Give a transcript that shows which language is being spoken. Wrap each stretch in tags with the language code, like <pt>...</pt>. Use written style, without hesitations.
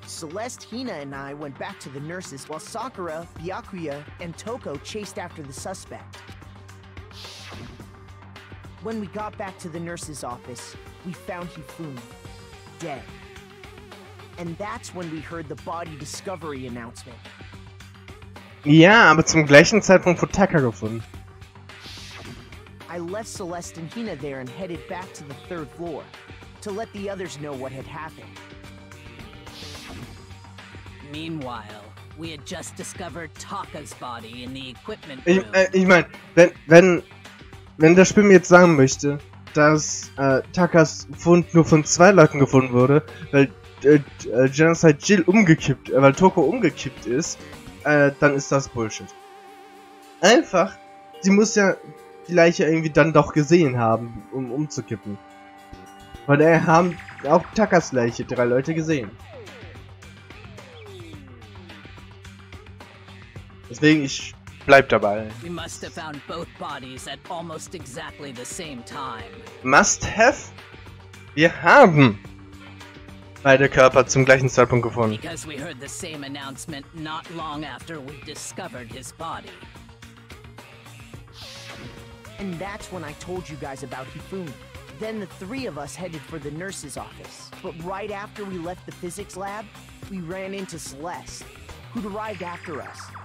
<en>Celeste, Hina, and I went back to the nurses, while Sakura, Byakuya, and Toko chased after the suspect. When we got back to the nurse's office, we found Hifumi, dead. And that's when we heard the body discovery announcement.</en> <de>Ja, aber zum gleichen Zeitpunkt wurde Taka gefunden.</de> <en>I left Celeste and Hina there and headed back to the third floor to let the others know what had happened. Meanwhile, we had just discovered Taka's body in the equipment room.</en> <de>Ich meine, wenn das Spiel mir jetzt sagen möchte, dass Takas Fund nur von zwei Leuten gefunden wurde, weil Genocide Jill umgekippt, weil Toko umgekippt ist, dann ist das Bullshit. Einfach, sie muss ja die Leiche irgendwie dann doch gesehen haben, um umzukippen. Von daher haben auch Takas Leiche drei Leute gesehen. Deswegen, ich bleib dabei.</de> <en>We must have found both bodies at almost exactly the same time. Must have?</en> <de>Wir haben beide Körper zum gleichen Zeitpunkt gefunden.</de> <en>Because we heard the same announcement not long after we discovered his body. And that's when I told you guys about Hifumi. Then the three of us headed for the nurse's office. But right after we left the physics lab, we ran into Celeste, who'd arrived after us.</en>